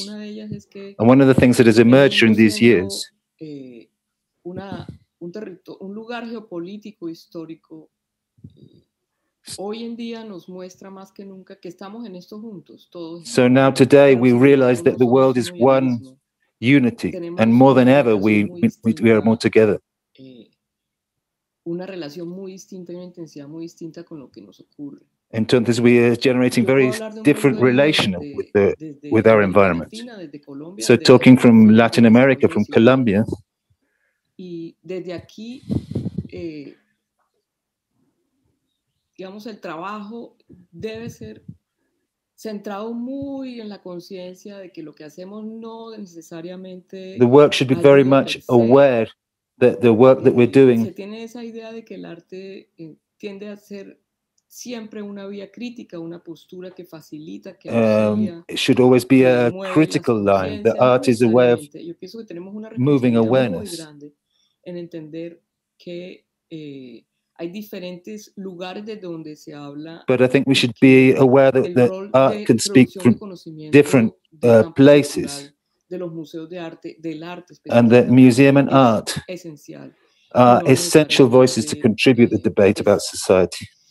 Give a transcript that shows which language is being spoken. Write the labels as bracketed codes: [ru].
[en] And one of the things that has emerged during these years [es] un territorio, un lugar geopolítico histórico hoy en día nos muestra más que nunca que estamos en esto juntos todos. [en] So now today we realize that the world is one unity and more than ever we are more together. [es] Una relación muy distinta y una intensidad muy distinta con lo que nos ocurre. Entonces [en] we are generating very different relation with our environment. So talking from Latin America, from Colombia, [es] y desde aquí, digamos, el trabajo debe ser centrado muy en la conciencia de que lo que hacemos no necesariamente. [en] The work should be very much aware that the work that we're doing. [es] Se tiene esa idea de que el arte tiende a ser siempre una vía crítica, una postura que facilita, que [en] It should always be a critical line. The art is a way of moving awareness. [es] En entender que hay diferentes lugares de donde se habla. [en] But I think we should be aware that art can speak from different places. [es] De los museos de arte, del arte. [en] And that museum and art [es] esencial, [en] are essential voices to contribute the debate about society.